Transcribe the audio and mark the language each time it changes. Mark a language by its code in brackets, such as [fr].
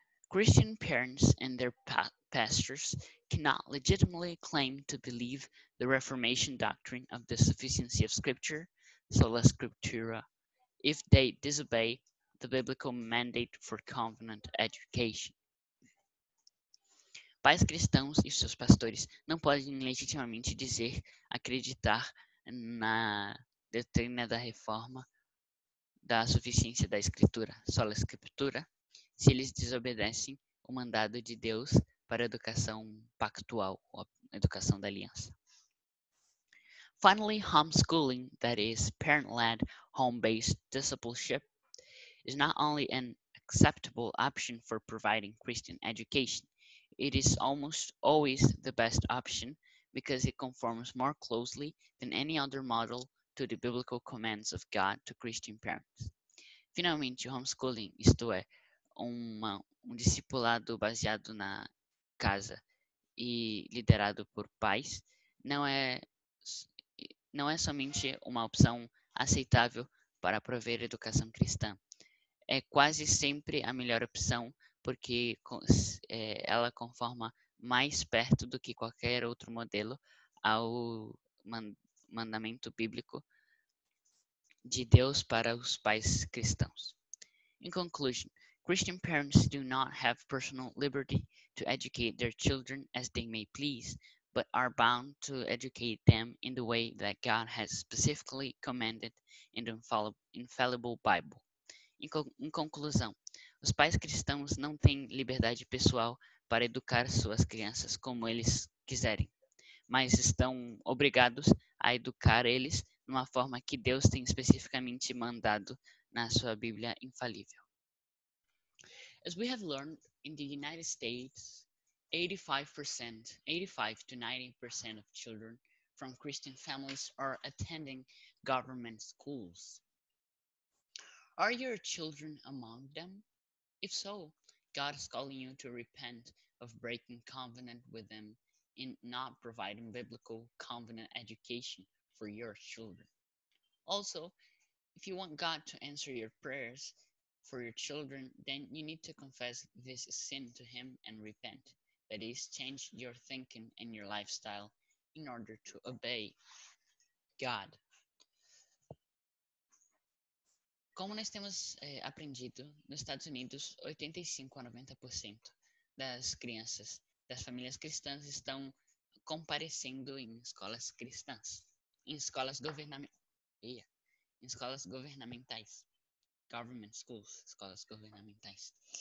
[en] Christian parents and their pastors cannot legitimately claim to believe the Reformation doctrine of the sufficiency of Scripture, sola scriptura, if they disobey the biblical mandate for covenant education. [pt] Pais cristãos e seus pastores não podem legitimamente dizer acreditar na doutrina da reforma da suficiência da Escritura, sola scriptura, se eles desobedecem o mandado de Deus para a educação pactual, a educação da aliança. [en] Finally, homeschooling, that is, parent-led, home-based discipleship, is not only an acceptable option for providing Christian education. It is almost always the best option because it conforms more closely than any other model to the biblical commands of God to Christian parents. [pt] Finalmente, homeschooling, isto é, um discipulado baseado na casa e liderado por pais, não é somente uma opção aceitável para prover educação cristã. É quase sempre a melhor opção, porque ela conforma mais perto do que qualquer outro modelo ao mandamento bíblico de Deus para os pais cristãos. [en] In conclusion, Christian parents do not have personal liberty to educate their children as they may please, but are bound to educate them in the way that God has specifically commanded in the infallible Bible. [pt] Em conclusão, os pais cristãos não têm liberdade pessoal para educar suas crianças como eles quiserem, mas estão obrigados a educar eles numa forma que Deus tem especificamente mandado na sua Bíblia infalível. [en] As we have learned, in the United States, 85 to 90% of children from Christian families are attending government schools. Are your children among them? If so, God is calling you to repent of breaking covenant with them in not providing biblical covenant education for your children. Also, if you want God to answer your prayers for your children, then you need to confess this sin to Him and repent. That is, change your thinking and your lifestyle in order to obey God. [pt] Como nós temos aprendido, nos Estados Unidos, 85 a 90% das crianças, das famílias cristãs, estão comparecendo em escolas cristãs, em escolas governamentais, government schools, escolas governamentais.